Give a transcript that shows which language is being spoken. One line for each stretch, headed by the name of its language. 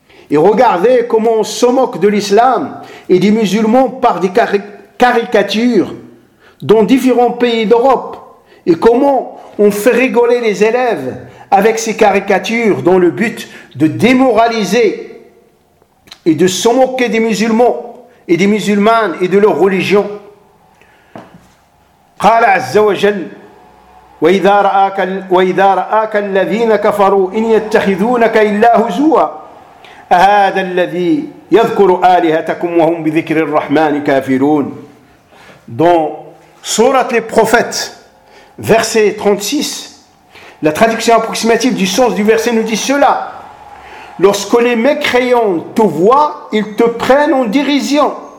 French: Et regardez comment on se moque de l'islam et des musulmans par des caricatures dans différents pays d'Europe. Et comment on fait rigoler les élèves avec ces caricatures dans le but de démoraliser et de se moquer des musulmans et des musulmanes et de leur religion.
Arabic: قال عز وجل وإذا رآك الذين كفروا إن يتخذونك إلا هزوا أهذا الذي يذكر آلهتكم وهم بذكر الرحمن كافرون.
French: Dans Sourate les Prophètes, verset 36, la traduction approximative du sens du verset nous dit cela. Lorsque les mécréants te voient, ils te prennent en dérision.